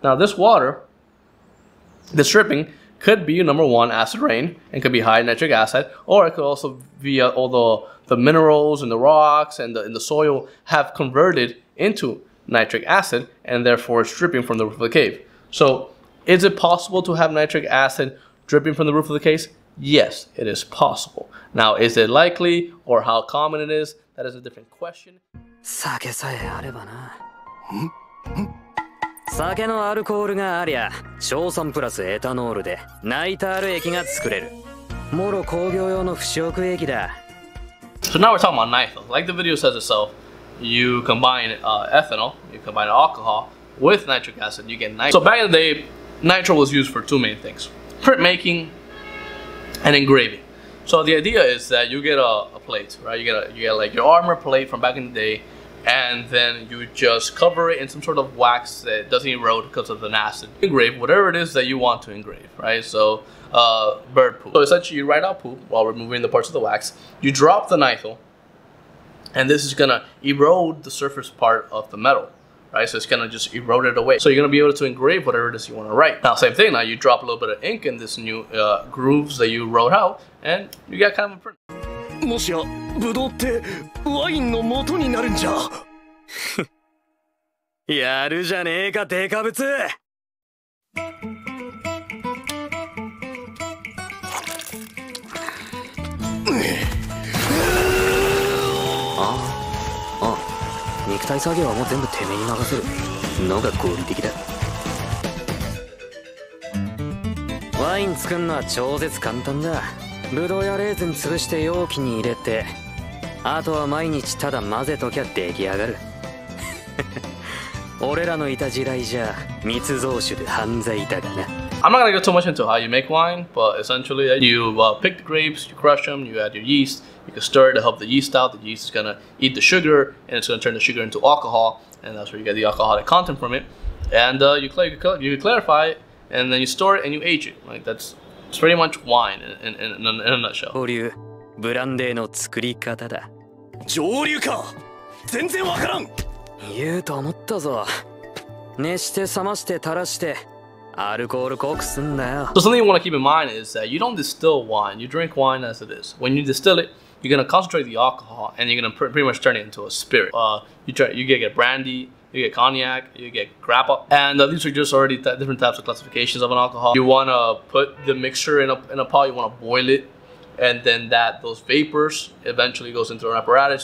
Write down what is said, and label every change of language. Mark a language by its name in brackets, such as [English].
[English] Now, this water, the dripping, could be number one acid rain, and could be high nitric acid, or it could also be all the minerals and the rocks and the soil have converted into nitric acid, and therefore it's dripping from the roof of the cave. So, is it possible to have nitric acid dripping from the roof of the cave? Yes, it is possible. Now, is it likely or how common it is? That is a different question. [Japanese] 酒さえあればな。ん？ん？酒のアルコールがありゃ、硝酸プラスエタノールでナイタール液が作れる。もろ工業用の腐食液だ。 [English] So now we're talking about nitrile. Like the video says itself, you combine ethanol, you combine alcohol with nitric acid, you get nitrile. So back in the day, nitrile was used for two main things: printmaking and engraving. So the idea is that you get a plate, right? You get like your armor plate from back in the day, and then you just cover it in some sort of wax that doesn't erode because of the acid. Engrave whatever it is that you want to engrave, right? So bird poop. So essentially you write out poop while removing the parts of the wax. You drop the nitrile, and this is gonna erode the surface part of the metal, right? So it's gonna just erode it away. So you're gonna be able to engrave whatever it is you wanna write. Now, same thing, now you drop a little bit of ink in this new grooves that you wrote out, and you got kind of a print. [Japanese] もしや、ブドウってワインの元になるんじゃ。やるじゃねえか、デカブツ。ああ、肉体作業はもう全部てめえに任せるのが合理的だ。ワイン作んのは超絶簡単だ。ブドウやレーズン潰して容器に入れて、あとは毎日ただ混ぜときゃ出来上がる。俺らのいた時代じゃ密造酒で犯罪だがな。 [English] I'm not gonna go too much into how you make wine, but essentially you pick the grapes, you crush them, you add your yeast, you can stir to help the yeast out. The yeast is gonna eat the sugar, and it's gonna turn the sugar into alcohol, and that's where you get the alcoholic content from it. And you clarify it, and then you store it and you age it. Like that's. It's pretty much wine in a nutshell. [Japanese] 保留ブランデーの作り方だ。上流か。全然わからん。言うと思ったぞ。熱して冷まして垂らしてアルコール濃くすんだよ。 [English] So something you want to keep in mind is that you don't distill wine. You drink wine as it is. When you distill it, you're gonna concentrate the alcohol and you're gonna pretty much turn it into a spirit. You get brandy. You get cognac, you get grappa, and these are just already different types of classifications of an alcohol. You want to put the mixture in a pot, you want to boil it, and then those vapors eventually goes into an apparatus.